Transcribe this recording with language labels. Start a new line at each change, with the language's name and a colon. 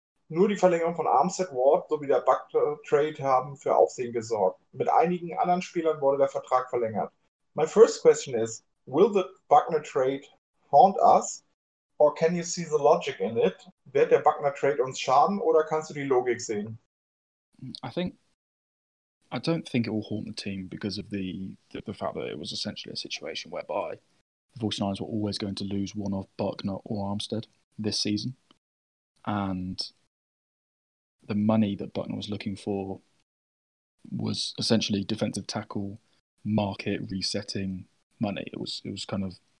German: Nur die Verlängerung von Armstead, Ward sowie der Buckner-Trade haben für Aufsehen gesorgt. Mit einigen anderen Spielern wurde der Vertrag verlängert.
English: My first question is, will the Buckner-Trade haunt us? Or can you see the logic in it?
German: Wird der Buckner-Trade uns schaden oder kannst du die Logik sehen?
English: I don't think it will haunt the team because of the fact that it was essentially a situation whereby the 49ers were always going to lose one of Buckner or Armstead this season. And the money that Buckner was looking for was essentially defensive tackle market resetting money. It was kind of